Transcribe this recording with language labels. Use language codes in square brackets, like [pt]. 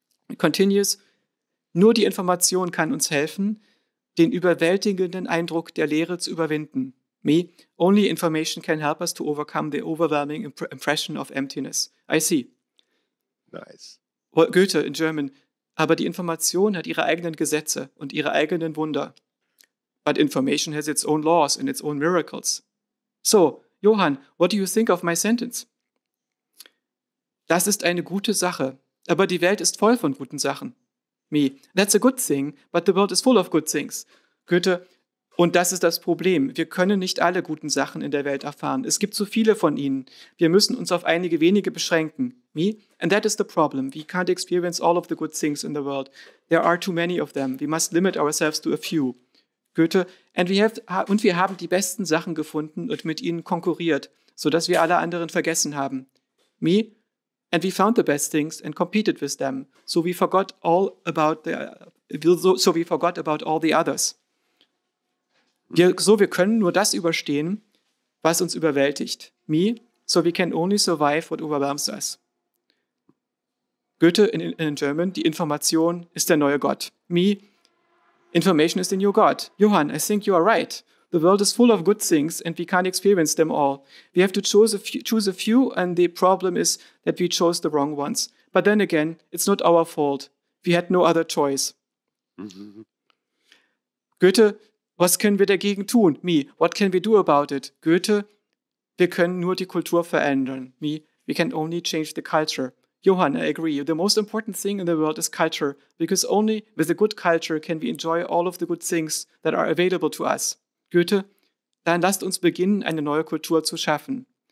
[en] It continues, [de] nur die Information kann uns helfen, den überwältigenden Eindruck der Leere zu überwinden. [en] Me, only information can help us to overcome the overwhelming impression of emptiness. I see. Nice. Well, Goethe in German. [de] Aber die Information hat ihre eigenen Gesetze und ihre eigenen Wunder. [en] But information has its own laws and its own miracles. So, Johann, what do you think of my sentence? [de] Das ist eine gute Sache, aber die Welt ist voll von guten Sachen. [en] Me, that's a good thing, but the world is full of good things. [de] Goethe, und das ist das Problem. Wir können nicht alle guten Sachen in der Welt erfahren. Es gibt zu viele von ihnen. Wir müssen uns auf einige wenige beschränken. [en] Me, and that is the problem. We can't experience all of the good things in the world. There are too many of them. We must limit ourselves to a few. [de] Goethe, und wir haben die besten Sachen gefunden und mit ihnen konkurriert, sodass wir alle anderen vergessen haben. [en] Me, and we found the best things and competed with them, so we forgot about all the others. [de] Wir können nur das überstehen, was uns überwältigt. [en] Me, so we can only survive what overwhelms us. Goethe in German, [de] die Information ist der neue Gott. [en] Me, information is the new God. Johann, I think you are right. The world is full of good things and we can't experience them all. We have to choose a few and the problem is that we chose the wrong ones. But then again, it's not our fault. We had no other choice. Mm-hmm. Goethe, [de] was können wir dagegen tun? [en] Me, what can we do about it? Goethe, [de] wir können nur die Kultur verändern. [en] Me, we can only change the culture. Johann, I agree. The most important thing in the world is culture, because only with a good culture can we enjoy all of the good things that are available to us. [de] Goethe, dann lasst uns beginnen, eine neue Kultur zu schaffen.